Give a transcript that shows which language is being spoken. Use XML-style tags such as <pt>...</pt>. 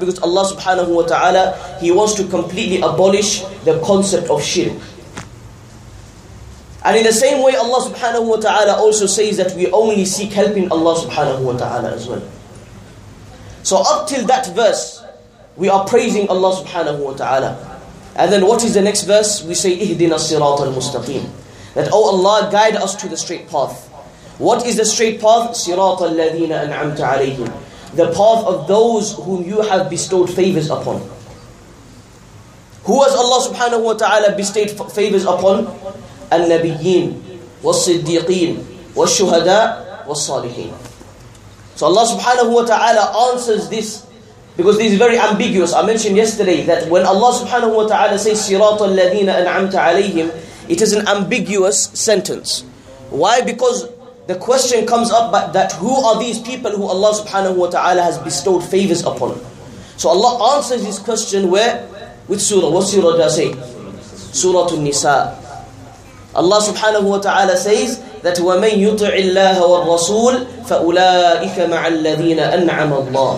<en>Because Allah subhanahu wa ta'ala, he wants to completely abolish the concept of shirk. And in the same way, Allah subhanahu wa ta'ala also says that we only seek help in Allah subhanahu wa ta'ala as well. So up till that verse, We are praising Allah subhanahu wa ta'ala. And then what is the next verse? We say,</en> <ar>اِهْدِنَا الصِّرَاطَ الْمُسْتَقِيمِ.</ar> <en>That, O Allah, guide us to the straight path. What is the straight path?</en> <ar>صِرَاطَ الَّذِينَ أَنْعَمْتَ عَلَيْهِمْ.</ar> <en>The path of those whom you have bestowed favors upon. Who has Allah subhanahu wa ta'ala bestowed favors upon?</en> <ar>النبيين والصديقين والشهداء والصالحين.</ar> <en>So Allah subhanahu wa ta'ala answers this, because this is very ambiguous. I mentioned yesterday that when Allah subhanahu wa ta'ala says</en> <ar>صِرَاطَ الَّذِينَ أَنْعَمْتَ عَلَيْهِمْ,</ar> <en>it is an ambiguous sentence. Why? Because the question comes up that who are these people who Allah subhanahu wa ta'ala has bestowed favors upon? So Allah answers this question where? With surah. What surah does say? Surah An-Nisa. Allah subhanahu wa ta'ala says that</en> <ar>وَمَنْ يُطِعِ اللَّهَ وَالرَّسُولِ فَأُولَٰئِكَ مَعَ الَّذِينَ أَنْعَمَ اللَّهِ.</ar>